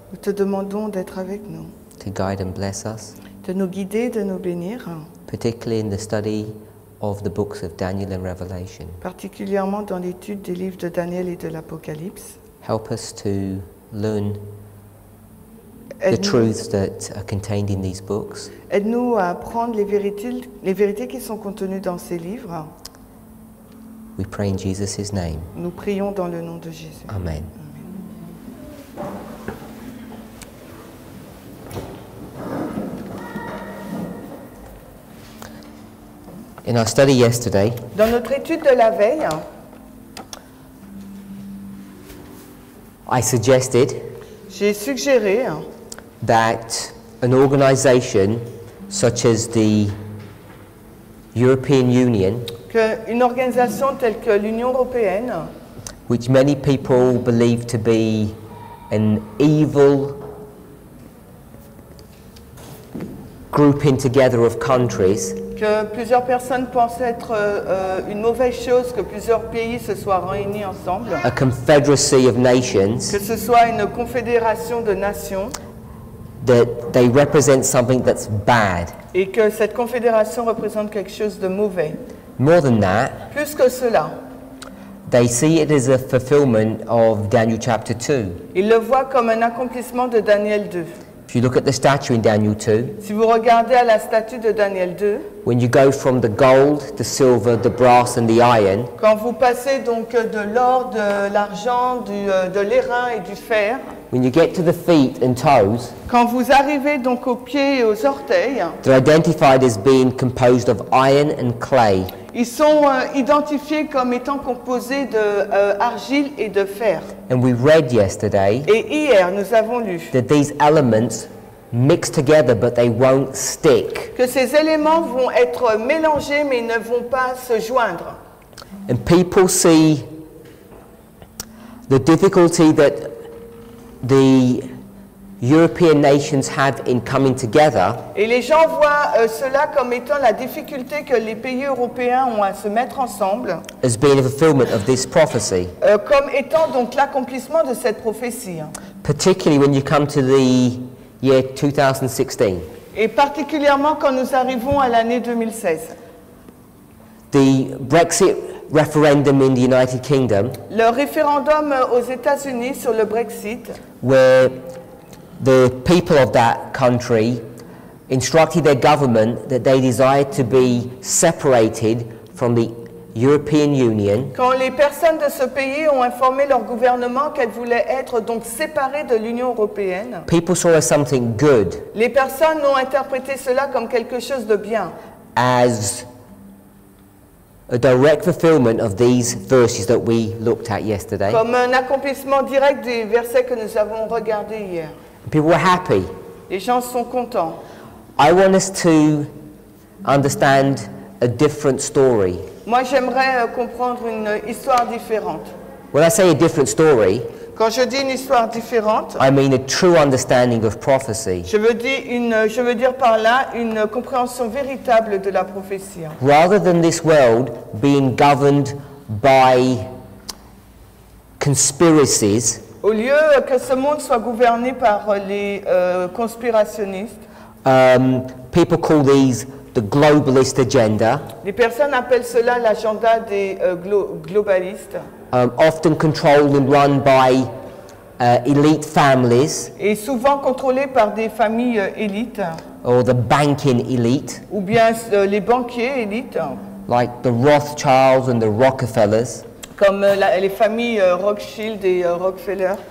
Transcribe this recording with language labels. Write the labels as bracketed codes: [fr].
[fr] Nous te demandons d'être avec nous. [en] To guide and bless us. [fr] De nous guider, de nous bénir. [en] Particularly in the study of the books of Daniel and Revelation. [fr] Particulièrement dans l'étude des livres de Daniel et de l'Apocalypse. [en] Help us to learn the truths that are contained in these books. [fr] Aide-nous à apprendre les vérités qui sont contenues dans ces livres. [en] We pray in Jesus' name. [fr] Nous prions dans le nom de Jésus. [en] Amen. In our study yesterday, [fr] dans notre étude de la veille, [en] I suggested, [fr] j'ai suggéré, [en] that an organization such as the European Union, [fr] que une organisation telle que l'Union européenne, [en] which many people believe to be an evil grouping together of countries, [fr] que plusieurs personnes pensent être une mauvaise chose que plusieurs pays se soient réunis ensemble, [en] a confederacy of nations, [fr] que ce soit une confédération de nations, [en] that they represent something that's bad. [fr] Et que cette confédération représente quelque chose de mauvais. [en] More than that, [fr] plus que cela, [en] they see it as a fulfillment of Daniel chapter 2. [fr] Ils le voient comme un accomplissement de Daniel 2. [en] If you look at the statue in Daniel 2, [fr] si vous regardez à la statue de Daniel 2, [en] when you go from the gold, the silver, the brass and the iron, [fr] quand vous passez donc de l'or, de l'argent, de l'airain et du fer, [en] when you get to the feet and toes, [fr] quand vous arrivez donc aux pieds et aux orteils, [en] they're identified as being composed of iron and clay. [fr] Ils sont identifiés comme étant composés de argile et de fer. [en] And we read yesterday, [fr] et hier nous avons lu, [en] that these elements mix together but they won't stick. [fr] Que ces éléments vont être mélangés mais ne vont pas se joindre. [en] And people see the difficulty that the European nations have in coming together. [fr] Et les gens voient cela comme étant la difficulté que les pays européens ont à se mettre ensemble. [en] As being a fulfillment of this prophecy. [fr] Comme étant donc l'accomplissement de cette prophétie. [en] Particularly when you come to the year 2016. [fr] Et particulièrement quand nous arrivons à l'année 2016. [en] The Brexit referendum in the United Kingdom. [fr] Le référendum aux États-Unis sur le Brexit. [en] Where the people of that country instructed their government that they desired to be separated from the European Union. [fr] Quand les personnes de ce pays ont informé leur gouvernement qu'elles voulaient être donc séparées de l'Union européenne. [en] People saw as something good. [fr] Les personnes ont interprété cela comme quelque chose de bien. [en] As a direct fulfillment of these verses that we looked at yesterday. [fr] Comme un accomplissement direct des versets que nous avons regardés hier. [en] People were happy. [fr] Les gens sont contents. [en] I want us to understand a different story. [fr] Moi, j'aimerais comprendre une histoire différente. [en] When I say a different story, [fr] quand je dis une histoire différente, [en] I mean a true understanding of prophecy. [fr] Je veux dire par là une compréhension véritable de la prophétie. [en] Rather than this world being governed by conspiracies, [fr] au lieu que ce monde soit gouverné par les conspirationnistes, [en] people call these the globalist agenda. [fr] Les personnes appellent cela l'agenda des globalistes. [en] Often controlled and run by elite families. [fr] Et souvent contrôlé par des familles élites. [en] Or the banking elite. [fr] Ou bien les banquiers élites. [en] Like the Rothschilds and the Rockefellers. [fr] Comme les familles Rothschild et Rockefeller.